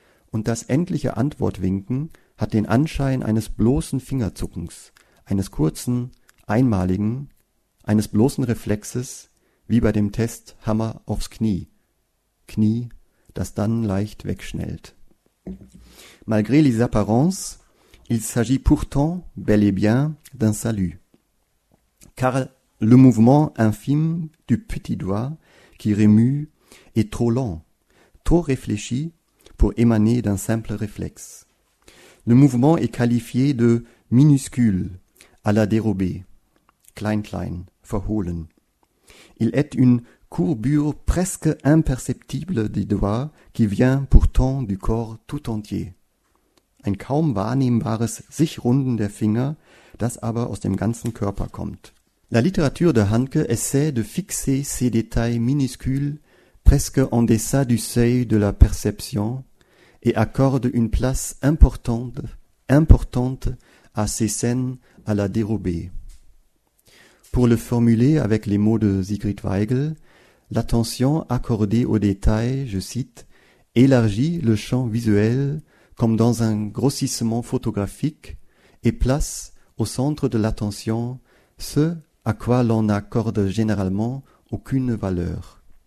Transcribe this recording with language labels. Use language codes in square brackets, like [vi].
[de] Und das endliche Antwortwinken hat den Anschein eines bloßen Fingerzuckens, eines kurzen, einmaligen, eines bloßen Reflexes, wie bei dem Test Hammer aufs Knie. Knie, das dann leicht wegschnellt. [fr] Malgré les apparences, il s'agit pourtant bel et bien d'un salut. Car le mouvement infime du petit doigt qui remue est trop lent, trop réfléchi pour émaner d'un simple réflexe. Le mouvement est qualifié de minuscule, à la dérobée, [de] klein klein, verhohlen. [fr] Il est une courbure presque imperceptible des doigts qui vient pourtant du corps tout entier. [de] Ein kaum wahrnehmbares Sichrunden der Finger, das aber aus dem ganzen Körper kommt. [fr] La littérature de Handke essaie de fixer ces détails minuscules presque en deçà du seuil de la perception et accorde une place importante à ces scènes à la dérobée. Pour le formuler avec les mots de Sigrid Weigel, l'attention accordée aux détails, je cite, élargit le champ visuel comme dans un grossissement photographique et place au centre de l'attention ce à quoi l'on n'accorde généralement aucune valeur.